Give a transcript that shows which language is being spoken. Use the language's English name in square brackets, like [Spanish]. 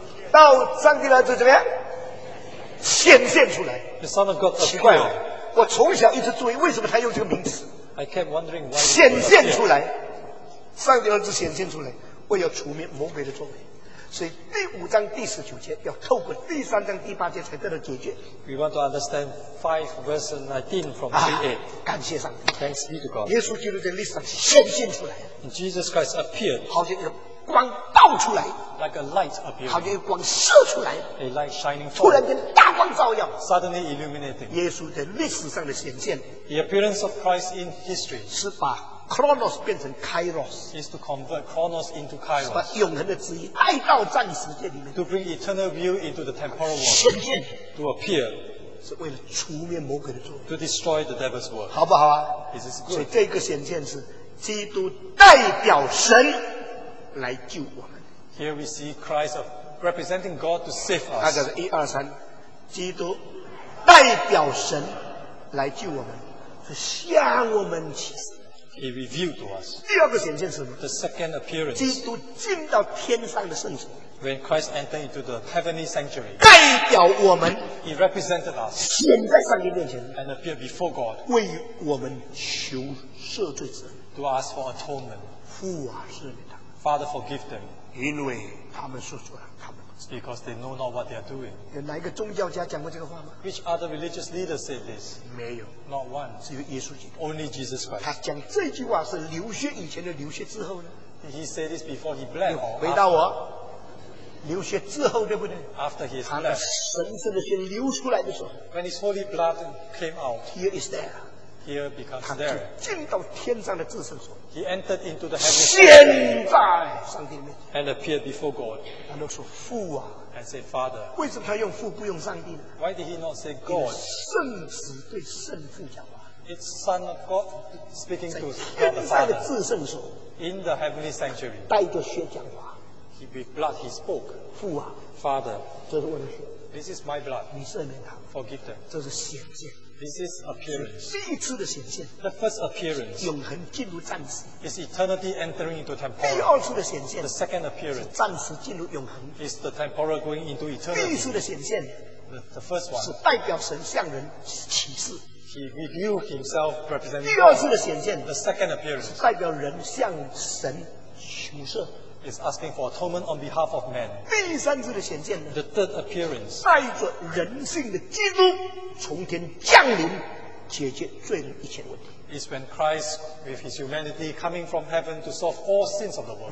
[Chinese] 到上帝的儿子怎么样？显现出来。 [English] The Son of God [Chinese] 奇怪了，我从小一直注意，为什么他用这个名词 [English] ？I kept wondering why. [Chinese] 显现出来，上帝的儿子显现出来，为要除灭魔鬼的作为。所以第五章第十九节要透过第三章第八节才得到解决。 [English] We want to understand 5 verse 19 from 3:8. [Chinese] 感谢上帝。 [English] Thanks be to God. [Chinese] 耶稣基督在历史上显现出来。 [English] And Jesus Christ appeared. [Chinese] 好像一个光倒出来。 [English] Like a light appeared. [Chinese] 好像一个光射出来。 [English] A light shining forth. [Chinese] 突然间大光照耀。 [English] Suddenly illuminating. [Chinese] 耶稣在历史上的显现。 [English] The appearance of Christ in history. [Chinese] 是把Chronos 变成 Kairos [English] is to convert Chronos into Kairos [Chinese] 把永恒的旨意带到暂时界里面 [English] to bring eternal view into the temporal world [Chinese] 显现 [English] to appear [Chinese] 是为了除灭魔鬼的作用 [English] to destroy the devil's work [Chinese] 好不好啊 [English] is this good [Chinese] 所以这个显现是基督代表神来救我们 [English] here we see Christ representing God to save us [Chinese] 大家是一二三基督代表神来救我们是向我们启示 [English] He revealed to us. [Chinese] 第二个显现是什么？ [English] The second appearance. [Chinese] 基督进到天上的圣所。 [English] When Christ entered into the heavenly sanctuary. [Chinese] 代表我们。 [English] He represented us. [Chinese] 显在上帝面前。 [English] And appeared before God. [Chinese] 为我们求赦罪之恩。 [English] To ask for atonement. [Chinese] 父啊，赦免他们。 [English] Father, forgive them. [Chinese] 因为他们说出来，他们不知道。 [English] Because they know not what they are doing. [Chinese] 有哪一个宗教家讲过这个话吗？ [English] Which other religious leader said this? [Chinese] 没有。 [English] Not one. [Chinese] 只有耶稣基督。 [English] Only Jesus Christ. [Chinese] 他讲这句话是流血以前的流血之后呢？ [English] He said this before he bled. [Chinese] 回答我，流血之后对不对？ [English] After his blood. [Chinese] 他神圣的血流出来的时候。 [English] When his holy blood came out. Here is there. Here becomes there. [Chinese] 他就进到天上的至圣所。 [English] He entered into the heavenly. [Chinese] 现在上帝面。 [English] And appeared before God. [Chinese] 他都说父啊。 [English] And say Father. [Chinese] 为什么他用父不用上帝呢？ [English] Why did he not say God? [Chinese] 圣子对圣父讲话。 [English] It's Son of God speaking to God the Father. [Chinese] 在天上的至圣所。 [English] In the heavenly sanctuary. [Chinese] 带着血讲话。 [English] He with blood he spoke. [Chinese] 父啊。 [English] Father. [Chinese] 这是我的血。 [English] This is my blood. [Chinese] 你赦免他。 [English] Forgive them. [Chinese] 这是显现。 [English] This is appearance. [Chinese] 第一次的显现。 [English] The first appearance. [Chinese] 永恒进入暂时。 [English] Is eternity entering into temporal. [Chinese] 第二次的显现。 [English] The second appearance. [Chinese] 暂时进入永恒。 [English] Is the temporal going into eternity. [Chinese] 第一次的显现。 [English] The first one. [Chinese] 是代表神向人启示。 [English] He revealed himself representing. [Chinese] 第二次的显现。 [English] The second appearance. [Chinese] 代表人向神求赦。 [English] Is asking for atonement on behalf of man. [Chinese] 第三次的显现呢？ [English] The third appearance. [Chinese] 带着人性的基督从天降临，解决罪人一切的问题。 [English] It's when Christ with his humanity coming from heaven to solve all sins of the world.